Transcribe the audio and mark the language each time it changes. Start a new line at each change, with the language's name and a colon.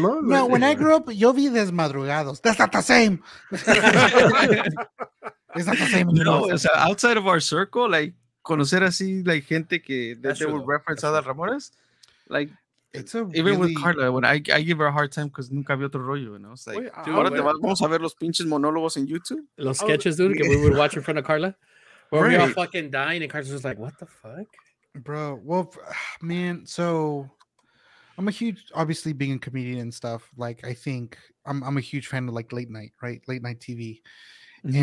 English: no? No, when I grew up,
Spanish: yo vi desmadrugados.
English: That's not the same. It's not the same. No, it's outside of our circle, like,
Spanish: conocer así,
English: like,
Spanish: gente que
English: they would reference Adal Ramones. Like, it's a even really... with Carla, when I give her a hard time because
Spanish: nunca vi otro rollo,
English: you know? It's like,
Spanish: dude, ahora te vamos a ver los pinches monólogos en YouTube.
English: Los sketches, dude, that we would watch in front of Carla. Where we all fucking dying, and Carla's just like, what the fuck? Bro, well, man, so I'm a huge, obviously being a comedian and stuff, like, I think I'm a huge fan of, like, late night, right? Late night TV. Mm-hmm.